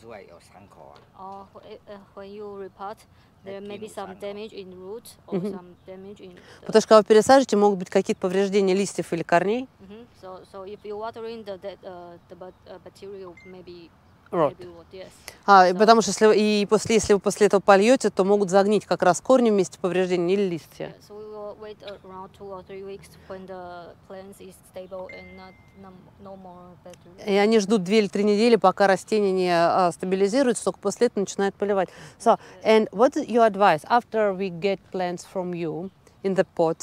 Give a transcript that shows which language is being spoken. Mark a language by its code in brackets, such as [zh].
[ru] что, когда вы пересаживаете, могут быть какие-то повреждения листьев или корней. [en] So if you're watering the bacterial, maybe... Rot. Maybe, yes. [ru] So, потому что если вы после этого польете, то могут загнить как раз корни вместе повреждения или листья. [en] Yeah, so we will wait around 2 or 3 weeks when the plant is stable and not no more battery. [ru] И они ждут 2 или 3 недели, пока растение не стабилизируется, только после этого начинают поливать. [en] So, and what is your advice after we get plants from you in the pot?